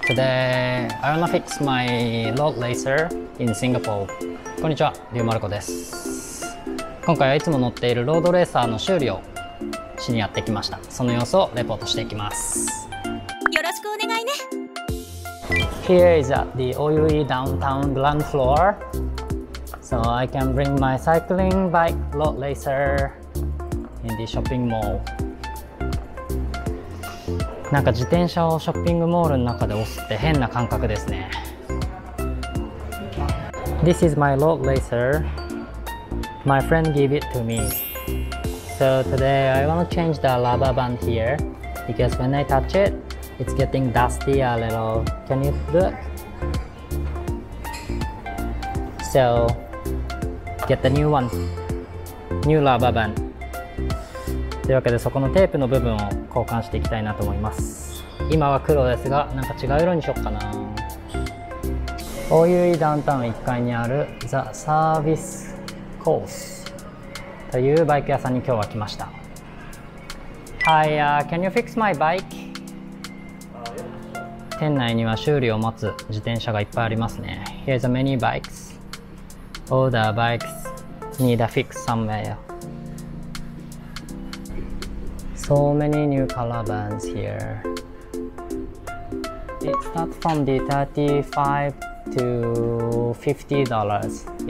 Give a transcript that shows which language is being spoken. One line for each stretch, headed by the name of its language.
English: Today, I wanna fix my road racer in Singapore.
Japanese: こんにちは、リュウマルコです。今回はいつも乗っているロードレーサーの修理をしにやってきました。その様子をレポートしていきます。よろしくお願いね。
English: Here is at the OUE downtown ground floor. So I can bring my cycling bike road racer in the shopping mall.
Japanese: なんか自転車をショッピングモールの中で押すって変な感覚ですね。
English: This is my road racer. My friend gave it to me. So today I want to change the rubber band here because when I touch it, it's getting dusty a little. Can you look? So get the new one. New rubber band.
Japanese: というわけでそこのテープの部分を交換していきたいなと思います。今は黒ですが、なんか違う色にしよっかな。OUE ダウンタウン1階にある The Service Course というバイク屋さんに今日は来ました。
English: Hi,、can you fix my bike?
Japanese: 店内には修理を待つ自転車がいっぱいありますね。
English: Here's a many bikes. All the bikes need a fix somewhere. So many new color bands here. It starts from the $35 to $50.